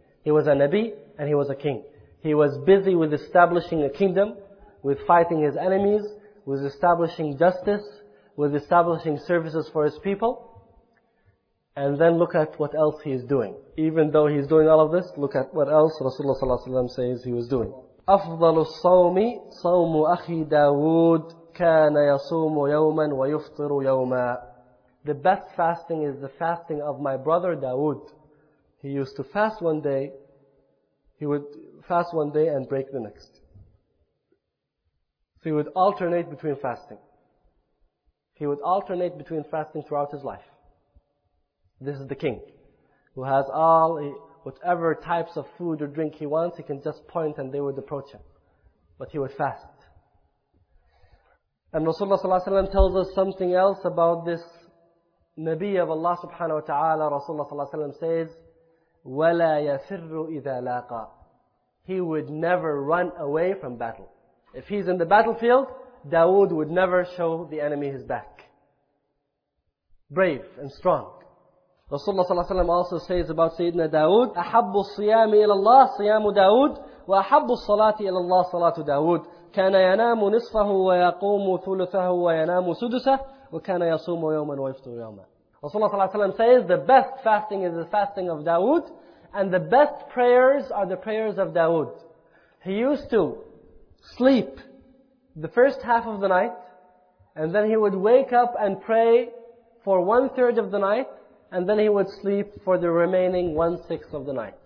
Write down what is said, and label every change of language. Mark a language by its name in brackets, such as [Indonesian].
[English] He was a Nabi and he was a king. He was busy with establishing a kingdom, with fighting his enemies, with establishing justice, with establishing services for his people. And then look at what else he is doing. Even though he is doing all of this, look at what else Rasulullah sallallahu alaihi wasallam says he was doing. [Arabic] أفضل الصوم صوم أخي داود كان يصوم يوما ويفطر يوما. [English] The best fasting is the fasting of my brother Dawood. He used to fast one day. He would fast one day and break the next. So he would alternate between fasting. He would alternate between fasting throughout his life. This is the king, who has all, whatever types of food or drink he wants, he can just point and they would approach him. But he would fast. And Rasulullah sallallahu alayhi wa sallam tells us something else about this Nabi of Allah subhanahu wa ta'ala. Rasulullah sallallahu alayhi wa sallam says, [Arabic] وَلَا يَفِرُّ إِذَا لَاقَى. [English] He would never run away from battle. If he's in the battlefield, Dawood would never show the enemy his back. Brave and strong. Rasulullah sallallahu alayhi wa sallam also says about Sayyidina Dawood, [Arabic] أَحَبُّ الصِّيَامِ إِلَى اللَّهِ صِيَامُ دَاوُودِ وَأَحَبُّ الصَّلَاةِ إِلَى اللَّهِ صَلَاةُ دَاوُودِ كَانَ يَنَامُ نِصْفَهُ وَيَقُومُ ثُلُثَهُ وَيَنَامُ سُدُسَهُ وَكَانَ يَصُومُ يَوْمًا وَيَفْطُرُ يَوْمًا. [English] Rasulullah sallallahu alayhi wa sallam says, the best fasting is the fasting of Dawood, and the best prayers are the prayers of Dawood. He used to sleep the first half of the night, and then he would wake up and pray for one third of the night, and then he would sleep for the remaining one-sixth of the night.